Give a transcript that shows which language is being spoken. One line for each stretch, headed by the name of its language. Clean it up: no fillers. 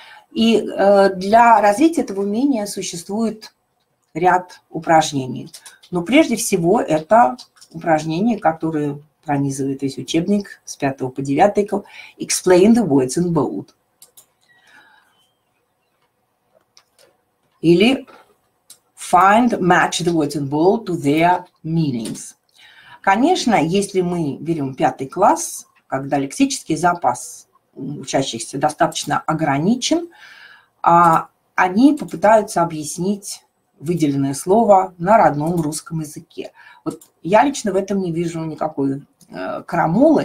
Russian: И для развития этого умения существует ряд упражнений. Но прежде всего это упражнение, которое пронизывает весь учебник с 5 по 9 класс,
English: «Explain the words in bold». Или find, match the words in bold to their meanings.
Russian: Конечно, если мы берем 5 класс, когда лексический запас учащихся достаточно ограничен, они попытаются объяснить выделенное слово на родном русском языке. Вот я лично в этом не вижу никакой крамолы.